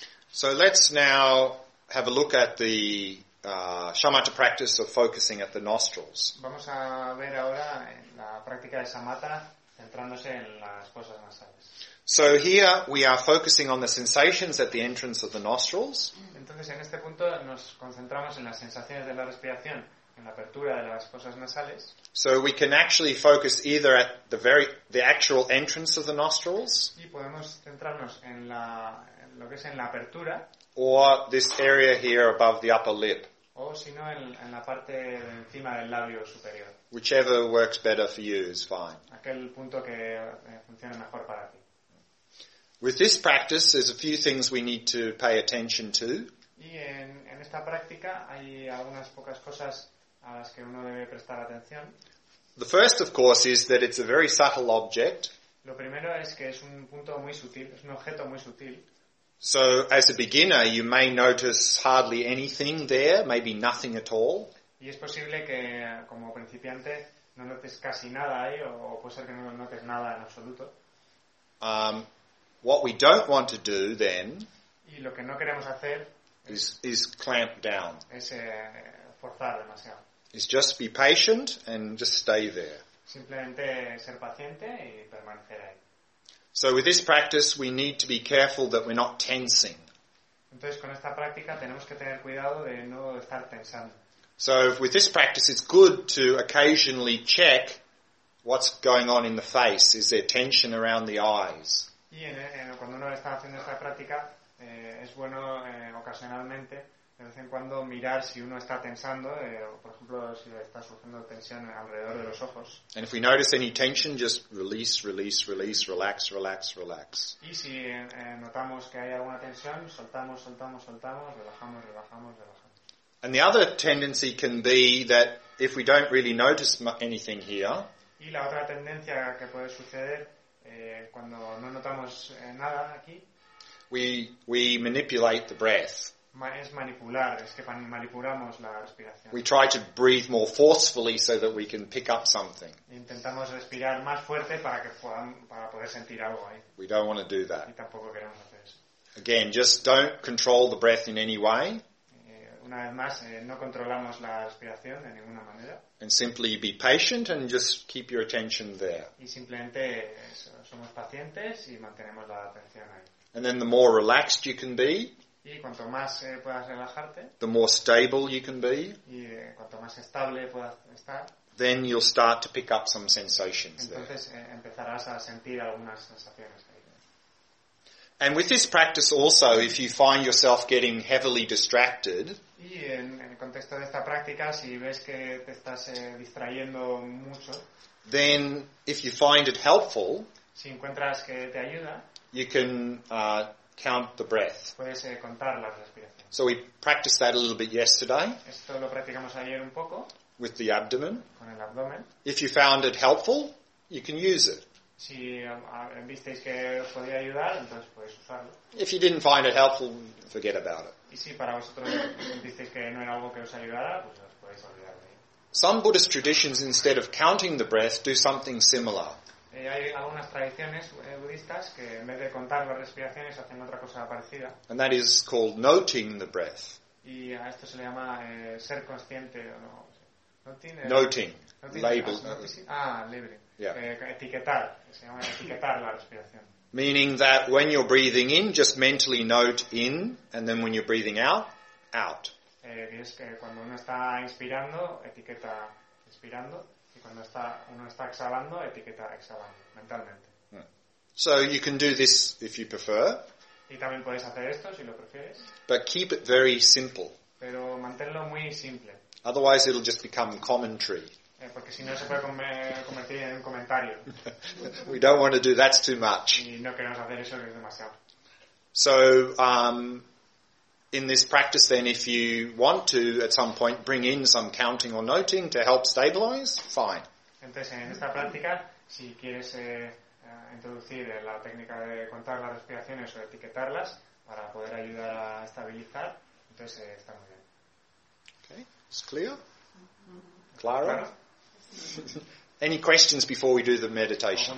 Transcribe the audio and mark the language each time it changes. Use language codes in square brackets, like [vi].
[en] So let's now have a look at the shamatha practice of focusing at the nostrils. [es] Vamos a ver ahora la práctica de shamatha centrándose en las fosas nasales. [en] So here we are focusing on the sensations at the entrance of the nostrils. [es] Entonces en este punto nos concentramos en las sensaciones de la respiración en la apertura de las fosas nasales. [en] So we can actually focus either at the actual entrance of the nostrils. [es] Y podemos centrarnos en lo que es en la apertura. [en] Or this area here above the upper lip. [es] O sino en la parte de encima del labio superior. [en] Whichever works better for you is fine. [es] Aquel punto que funcione mejor para ti. [en] With this practice, there's a few things we need to pay attention to. [es] Y en esta práctica hay algunas pocas cosas a las que uno debe prestar atención. [en] The first, of course, is that it's a very subtle object. [es] Lo primero es que es un punto muy sutil, es un objeto muy sutil. [en] So, as a beginner, you may notice hardly anything there, maybe nothing at all. [es] Y es posible que, como principiante, no notes casi nada ahí, o puede ser que no notes nada en absoluto. [en] What we don't want to do, then, [es] y lo que no queremos hacer [en] is clamp down. [es] Es forzar demasiado. [en] Is just be patient and just stay there. [es] Simplemente ser paciente y permanecer ahí. [en] So with this practice, we need to be careful that we're not tensing. [es] Entonces, con esta práctica, tenemos que tener cuidado de no estar pensando. [en] So with this practice, it's good to occasionally check what's going on in the face. Is there tension around the eyes? [es] Y cuando uno está haciendo esta práctica, es bueno ocasionalmente, de vez en cuando, mirar si uno está tensando, por ejemplo, si está surgiendo tensión alrededor de los ojos. [en] And if we notice any tension, just release, release, release, relax, relax, relax. [es] Y si notamos que hay alguna tensión, soltamos, soltamos, soltamos, relajamos, relajamos, relajamos. [en] And the other tendency can be that if we don't really notice anything here. [es] Y la otra tendencia que puede suceder cuando no notamos nada aquí. [en] We manipulate the breath. [es] Es manipular, es que manipulamos la respiración. [en] We try to breathe more forcefully so that we can pick up something. [es] Intentamos respirar más fuerte para que puedan, para poder sentir algo ahí. [en] We don't want to do that. [es] Y tampoco queremos hacer eso. [en] Again, just don't control the breath in any way. [es] Una vez más, no controlamos la respiración de ninguna manera. [en] And simply be patient and just keep your attention there. [es] Y simplemente somos pacientes y mantenemos la atención ahí. [en] And then the more relaxed you can be, [es] y cuanto más puedas relajarte, [en] the more stable you can be, [es] y cuanto más estable puedas estar, [en] then you'll start to pick up some sensations there. [es] Entonces empezarás a sentir algunas sensaciones ahí. [en] And with this practice also, if you find yourself getting heavily distracted, [es] y en el contexto de esta práctica, si ves que te estás distrayendo mucho, [en] then if you find it helpful, [es] si encuentras que te ayuda, [en] you can count the breath. [es] Puedes contar las respiraciones. [en] So we practiced that a little bit yesterday. [es] Esto lo practicamos ayer un poco. [en] With the abdomen. [es] Con el abdomen. [en] If you found it helpful, you can use it. [es] Si visteis que podía ayudar, entonces podéis usarlo. [en] If you didn't find it helpful, forget about it. [es] Y si para vosotros visteis que no era algo que os ayudara, pues os podéis olvidar de ello. [en] Some Buddhist traditions, instead of counting the breath, do something similar. [es] Hay algunas tradiciones budistas que en vez de contar las respiraciones hacen otra cosa parecida. [en] And that is called noting the breath. [es] Y a esto se le llama ser consciente o no. [en] Noting. Label. [es] Labeling. Etiquetar. Se llama etiquetar la respiración. [en] Meaning that when you're breathing in, just mentally note in, and then when you're breathing out, out. [es] Es que cuando uno está inspirando, etiqueta inspirando. Y cuando uno está exhalando, etiqueta exhalando, mentalmente. [en] So you can do this if you prefer. [es] Y también puedes hacer esto si lo prefieres. [en] But keep it very simple. [es] Pero manténlo muy simple. [en] Otherwise it'll just become commentary. [es] Porque si no se puede convertir en un comentario. [en] We don't want to do that too much. [es] Y no queremos hacer eso, que es demasiado. [en] So, in this practice then, if you want to at some point bring in some counting or noting to help stabilize, fine. [es] Entonces en esta práctica, si quieres introducir la técnica de contar las respiraciones o etiquetarlas para poder ayudar a estabilizar, entonces está muy bien. [en] Okay, it's clear? Clara? Any questions before we do the meditation?